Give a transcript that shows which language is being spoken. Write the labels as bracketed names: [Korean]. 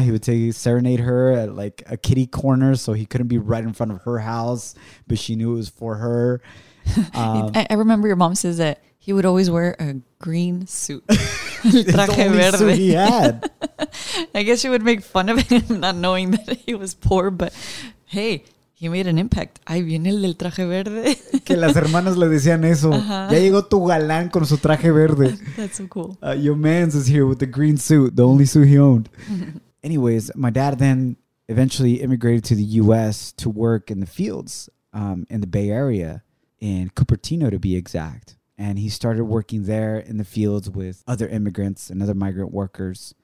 [English] He would serenade her at like a kitty corner so he couldn't be right in front of her house, but she knew it was for her. I remember your mom says that he would always wear a green suit. [Spanish] Traje verde. [English] The only suit he had. I guess she would make fun of him not knowing that he was poor, but hey, he made an impact. [Spanish] Ahí viene el del traje verde. Que las hermanas le decían eso. Uh-huh. Ya llegó tu galán con su traje verde. [English] That's so cool. Your man's is here with the green suit, the only suit he owned. Anyways, my dad then eventually immigrated to the U.S. to work in the fields in the Bay Area, in Cupertino to be exact. And he started working there in the fields with other immigrants and other migrant workers.